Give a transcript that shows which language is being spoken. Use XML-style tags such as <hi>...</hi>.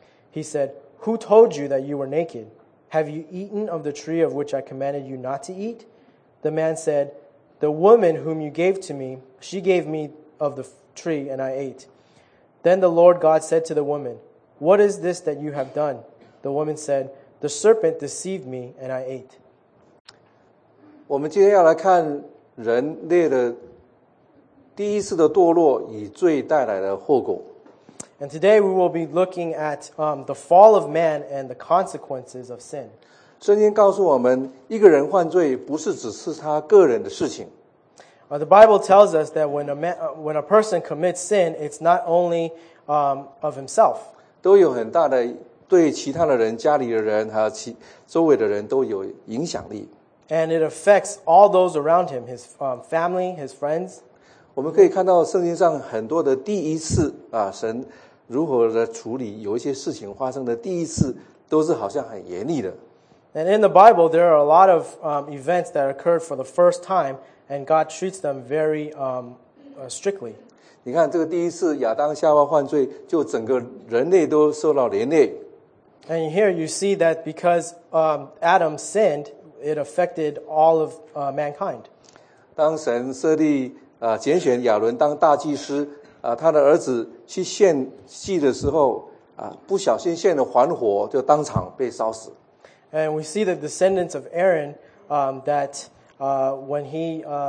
<en>He said, "Who told you that you were naked? Have you eaten of the tree of which I commanded you not to eat?" The man said, "The woman whom you gave to me, she gave me of the tree, and I ate." Then the Lord God said to the woman, "What is this that you have done?" The woman said, "The serpent deceived me, and I ate."</en> <zh>我们今天要来看人类的第一次的堕落以罪带来的后果。</zh> <en>And today we will be looking at the fall of man and the consequences of sin.</en> <zh>圣经告诉我们，一个人犯罪不是只是他个人的事情。</zh> <en>The Bible tells us that when a person commits sin, it's not only of himself.</en> <zh>都有很大的对其他的人、家里的人还有其周围的人都有影响力。</zh> <en>And it affects all those around him, his family, his friends.</en> <zh>我们可以看到圣经上很多的第一次啊，神如何的处理有一些事情发生的第一次，都是好像很严厉的。</zh> <en>And in the Bible, there are a lot of events that occurred for the first time, and God treats them very strictly.</en> <zh>你看这个第一次亚当夏娃犯罪，就整个人类都受到连累。</zh> <en>And here you see that because Adam sinned,it affected all of mankind.</en> <zh>当神设立拣选亚伦当大祭司他的儿子去献祭的时候不小心献了还火就当场被烧死。</zh> <en>And we see the descendants of Aaron that when he</en>